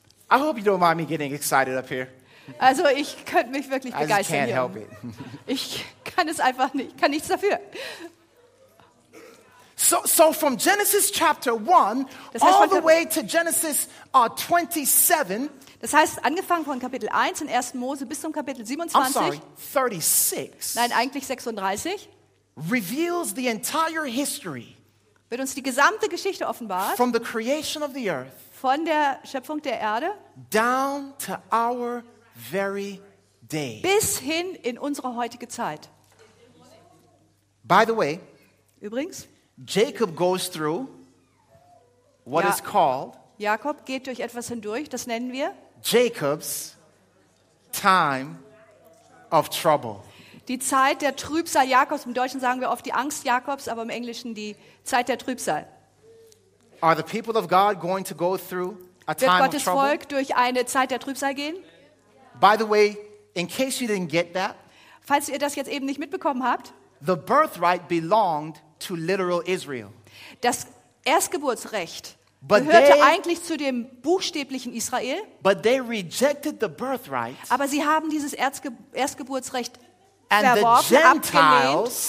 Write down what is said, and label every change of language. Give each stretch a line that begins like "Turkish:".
English: I hope you don't mind me getting excited up here.
German: Also ich könnte mich wirklich begeistern.
English: I just can't help it.
German: Ich kann es einfach nicht, kann nichts dafür.
English: So from Genesis chapter 1,
German: das heißt,
English: all the way to Genesis 27.
German: Das heißt, angefangen von Kapitel 1 in 1. Mose bis zum Kapitel 27.
English: I'm sorry, 36.
German: Nein, eigentlich 36.
English: Reveals the entire history.
German: Wird uns die gesamte Geschichte offenbart.
English: From the creation of the earth.
German: Von der Schöpfung der Erde.
English: Down to our very day.
German: Bis hin in unsere heutige Zeit.
English: By the way.
German: Übrigens.
English: Jacob goes through what is called.
German: Jakob geht durch etwas hindurch, das nennen wir
English: Jacob's time of trouble.
German: Die Zeit der Trübsal Jakobs. Im Deutschen sagen wir oft die Angst Jakobs, aber im Englischen die Zeit der Trübsal.
English: Are the people of God going to go through a time
German: Wird Gottes Volk durch eine Zeit der Trübsal gehen?
English: By the way, in case you didn't get that,
German: falls ihr das jetzt eben nicht mitbekommen habt,
English: the birthright belonged to literal Israel.
German: Das Erstgeburtsrecht gehörte eigentlich zu dem buchstäblichen Israel.
English: But they rejected the birthright.
German: Aber sie haben dieses Erstgeburtsrecht verworfen, abgelehnt.